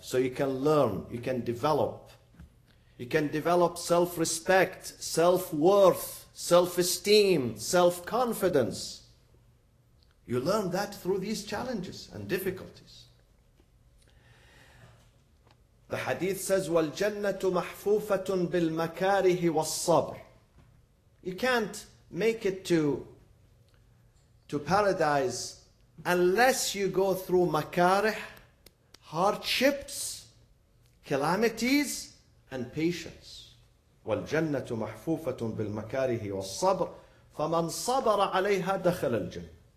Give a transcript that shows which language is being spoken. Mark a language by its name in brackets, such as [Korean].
[English] So you can learn, you can develop. You can develop self-respect, self-worth, self-esteem, self-confidence. You learn that through these challenges and difficulties. The hadith says, [Arabic] وَالْجَنَّةُ مَحْفُوفَةٌ بِالْمَكَارِهِ وَالصَّبْرِ. [English] You can't make it to paradise unless you go through makarih, hardships, calamities, and patience. [Arabic] وَالْجَنَّةُ مَحْفُوفَةٌ بِالْمَكَارِهِ وَالصَّبْرِ فَمَنْ صَبَرَ عَلَيْهَا دَخَلَ الْجَنَّةِ.